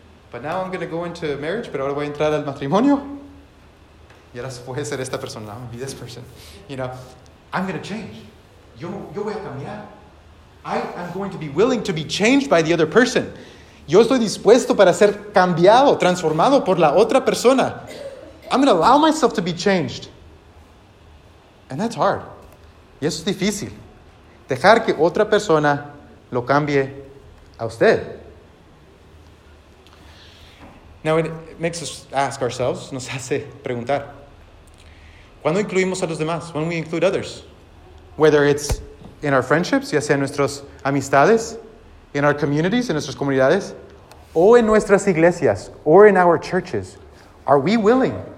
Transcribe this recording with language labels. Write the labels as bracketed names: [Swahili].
[English] But now I'm going to go into marriage, [Spanish] pero ahora voy a entrar al matrimonio. Y ahora voy a ser esta persona. [English] I'm going to be this person. You know, I'm going to change. [Spanish] Yo voy a cambiar. [English] I am going to be willing to be changed by the other person. [Spanish] Yo estoy dispuesto para ser cambiado, transformado por la otra persona. [English] I'm going to allow myself to be changed. And that's hard. [Spanish] Y eso es difícil. Dejar que otra persona lo cambie a usted. [English] Now it makes us ask ourselves, [Spanish] nos hace preguntar. ¿Cuándo incluimos a los demás? [English] When we include others. Whether it's in our friendships, [Spanish] ya sea en nuestras amistades, [English] in our communities, [Spanish] en nuestras comunidades, o en nuestras iglesias, [English] or in our churches, are we willing?